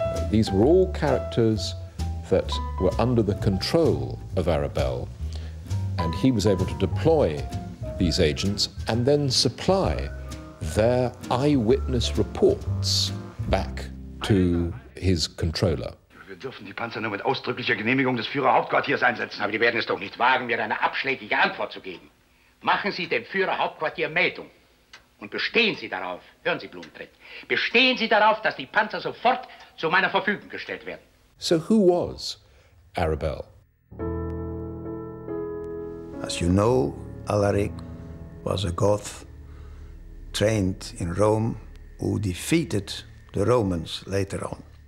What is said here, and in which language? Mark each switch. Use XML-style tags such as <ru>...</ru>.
<en>These were all characters that were under the control of Arabelle, and he was able to deploy these agents and then supply their eyewitness reports back to his controller.</en> <de>Wir dürfen die Panzer nur mit ausdrücklicher Genehmigung des Führerhauptquartiers einsetzen. Aber die werden es doch nicht wagen, mir eine abschlägige Antwort zu geben. Machen Sie dem Führerhauptquartier Meldung und bestehen Sie darauf, hören Sie Blumentritt, bestehen Sie darauf, dass die Panzer sofort zu meiner Verfügung gestellt werden.</de> <en>So who was Arabelle? As you know, Alaric was a Goth trained in Rome, who defeated the Romans later on.</en>